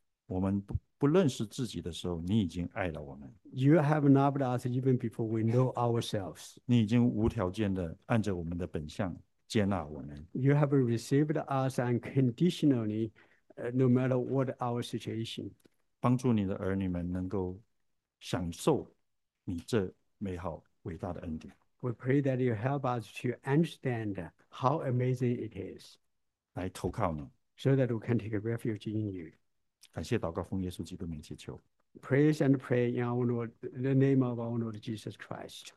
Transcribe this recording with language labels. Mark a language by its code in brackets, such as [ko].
[zh] 我们不认识自己的时候，你已经爱了我们。 [en] You have loved us even before we know ourselves. [zh] 你已经无条件的按着我们的本相接纳我们。 [en] You have received us unconditionally, no matter what our situation. [zh] 帮助你的儿女们能够享受你这美好伟大的恩典。 [en] We pray that you help us to understand how amazing it is. [zh] 来投靠你。 [en] So that we can take refuge in you. [zh] 感谢祷告奉耶稣基督名祈求。 [en] Praise and pray in our Lord, the name of our Lord Jesus Christ.